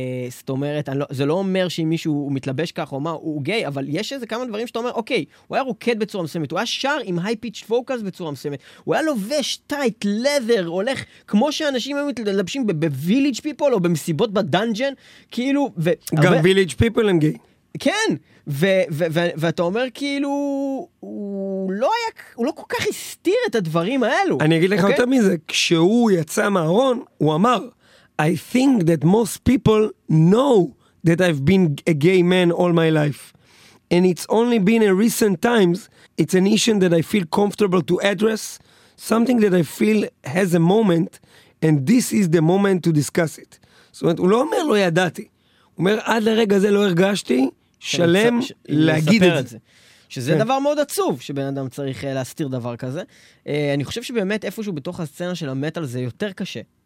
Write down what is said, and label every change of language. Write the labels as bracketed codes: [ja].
[he] זאת אומרת, זה לא אומר שאם מישהו הוא מתלבש כך או מה, הוא גיי, אבל יש איזה כמה דברים שאתה אומר, אוקיי, הוא היה רוקד בצורה מסוימת, הוא היה שר עם [en] high-pitched vocals [he] בצורה מסוימת, הוא היה לובש טייט, לבר, הולך, כמו שאנשים היו מתלבשים ב-village people או במסיבות בדנג'ן, כאילו, גם village people הם גיי. כן, ואתה אומר כאילו, הוא לא כל כך הסתיר את הדברים האלו. אני אגיד לך יותר מזה, כשהוא יצא מהארון, הוא אמר, [en] I think that most people know that I've been a gay man all my life. And it's only been in recent times, it's an issue that I feel comfortable to address, something that I feel has a moment, and this is the moment to discuss it. [he] זאת אומרת, הוא לא אומר לא ידעתי, הוא אומר, עד לרגע זה לא הרגשתי, שלם להגיד את זה. שזה דבר מאוד עצוב, שבן אדם צריך להסתיר דבר כזה. אני חושב שבאמת איפשהו בתוך הסצנה של המטל זה יותר קשה.